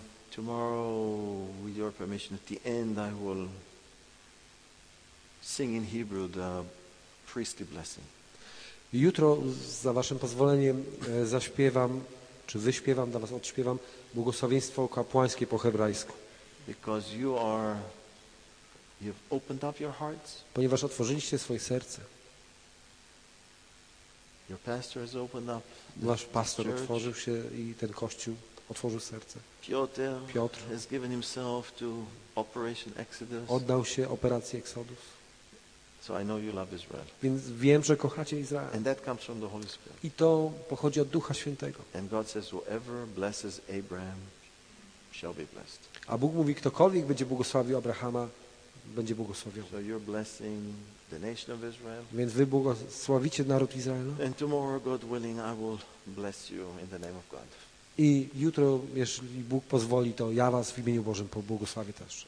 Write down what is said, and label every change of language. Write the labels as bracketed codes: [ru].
[en] Tomorrow, with your permission, at the end, I will sing in Hebrew the priestly blessing. [pl] Jutro, za waszym pozwoleniem, zaśpiewam, czy wyśpiewam, dla was odśpiewam, błogosławieństwo kapłańskie po hebrajsku. [en] Because you are, you've opened up your hearts. [pl] Ponieważ otworzyliście swoje serce. [en] Your pastor has opened up the [pl] wasz [en] pastor church. [pl] Otworzył się i ten kościół otworzył serce. [en] Piotr has given himself to Operation Exodus. [pl] Oddał się operacji Exodus. [en] So I know you love Israel. [pl] Więc wiem, że kochacie Izrael. [en] And that comes from the Holy Spirit. [pl] I to pochodzi od Ducha Świętego. [en] And God says, whoever blesses Abraham shall be blessed. [pl] A Bóg mówi, ktokolwiek będzie błogosławił Abrahama, będzie błogosławiony. [en] So you're blessing the nation of Israel. [pl] Więc wy błogosławicie naród Izraela. [en] And tomorrow, God willing, I will bless you in the name of God. [pl] I jutro, jeśli Bóg pozwoli, to ja was w imieniu Bożym pobłogosławię też.